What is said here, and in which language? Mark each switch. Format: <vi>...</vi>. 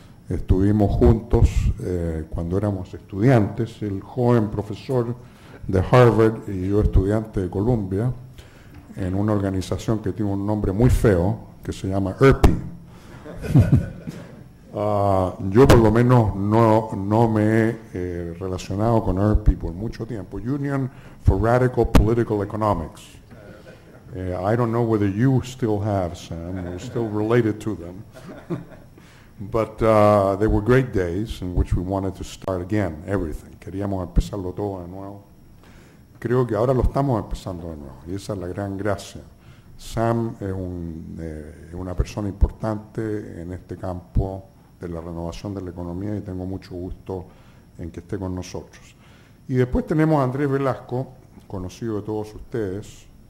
<es>Estuvimos juntos cuando éramos estudiantes, el joven profesor de Harvard y yo estudiante de Columbia, en una organización que tiene un nombre muy feo, que se llama ERPI. Yo por lo menos no me he relacionado con ERPI por mucho tiempo.</es> <en>Union for Radical Political Economics. I don't know whether you still have, Sam, you're still related to them. But they were great days in which we wanted to start again, everything.</en> <es>Queríamos empezarlo todo de nuevo. Creo que ahora lo estamos empezando de nuevo, y esa es la gran gracia. Sam es una persona importante en este campo de la renovación de la economía, y tengo mucho gusto en que esté con nosotros. Y después tenemos a Andrés Velasco, conocido de todos ustedes.</es>